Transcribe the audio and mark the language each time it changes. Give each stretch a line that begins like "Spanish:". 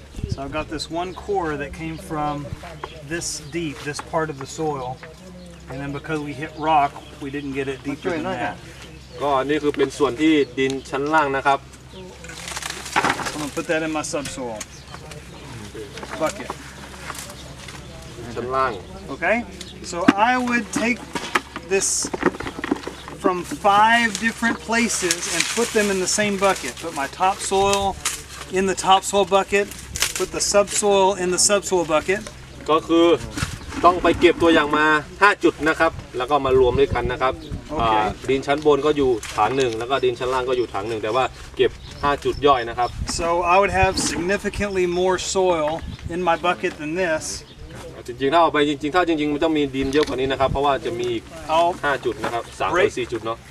English: So I've got this one core that came from this deep, this part of the soil. And then because we hit rock, we didn't get it deeper than that.
Thai: ก็อันนี้คือเป็นส่วนที่ดินชั้นล่างนะครับ
English: I'm going to put that in my subsoil bucket
Thai: ชั้นล่าง
English: Okay, so I would take this from five different places and put them in the same bucket. Put my topsoil in the topsoil bucket, put the subsoil in the subsoil bucket.
Thai: ก็คือต้องไปเก็บตัวอย่างมา 5 จุดนะครับแล้วก็มารวมด้วยกันนะครับ
English: Okay.
Thai: ดินชั้นบนก็อยู่ฐาน 1 แล้วก็ดินชั้นล่างก็อยู่ฐาน 1 แต่ว่าเก็บ 5 จุดย่อยนะครับ
English: So I would have significantly more soil in my bucket than this
Thai: จริงๆถ้าเอาไปจริงๆถ้าจริงๆมันต้องมีดินเยอะกว่านี้นะครับเพราะว่าจะมีอีก 5 จุดนะครับ 3 4 จุดเนาะ